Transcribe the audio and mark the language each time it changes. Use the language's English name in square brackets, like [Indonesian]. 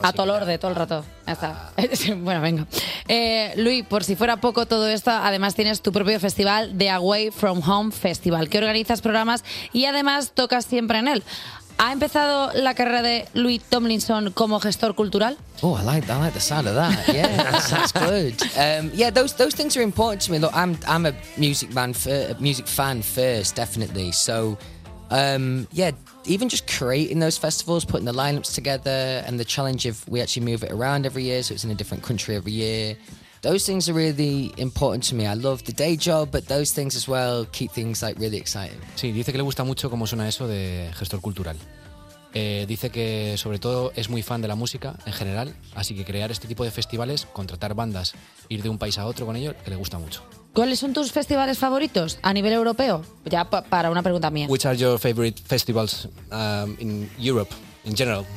[Spanish] A tolor de todo el rato. Ya está. Bueno, venga. Luis, por si fuera poco todo esto, además tienes tu propio festival, The Away From Home Festival, que organizas programas y además tocas siempre en él. ¿Ha empezado la carrera de Luis Tomlinson como gestor cultural? [English] Oh, I like the sound of that. Yeah, that's good. Yeah, those things are important to me. Look, I'm a music man, music fan first, definitely. So, yeah, even just creating those festivals, putting the lineups together, and the challenge of we actually move it around every year, so it's in a different country every year. Those things are really important to me. I love the day job, but those things as well keep things like really exciting. [Spanish] Sí, dice que le gusta mucho cómo suena eso de gestor cultural. Dice que sobre todo es muy fan de la música en general, así que crear este tipo de festivales, contratar bandas, ir de un país a otro con ellos, que le gusta mucho. ¿Cuáles son tus festivales favoritos a nivel europeo? Ya para una pregunta mía. [English] Which are your favorite festivals in Europe in general?